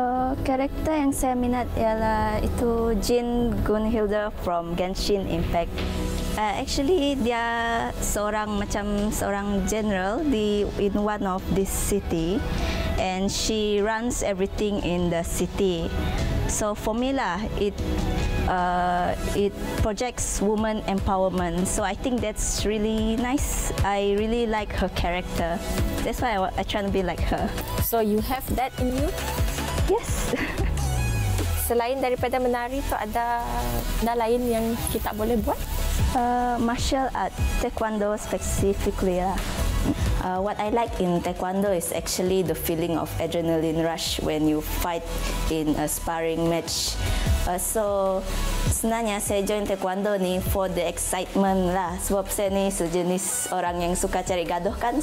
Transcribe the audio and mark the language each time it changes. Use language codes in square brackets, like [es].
[ms] Karakter yang saya minat ialah itu Jin Gunhilda from Genshin Impact. [en] Actually [ms] dia seorang macam seorang [en] general di in one of this city and she runs everything in the city. So for me lah it projects woman empowerment. So I think that's really nice. I really like her character. That's why I try to be like her. So you have that in you? Yes. [ms] Selain daripada menari, tu ada benda lain yang kita boleh buat? [en] Martial art, taekwondo specifically lah. What I like in taekwondo is actually the feeling of adrenaline rush when you fight in a sparring match. [ms] So sebenarnya saya join taekwondo ni [en] for the excitement [ms] lah. Sebab saya ni sejenis orang yang suka cari gaduh kan.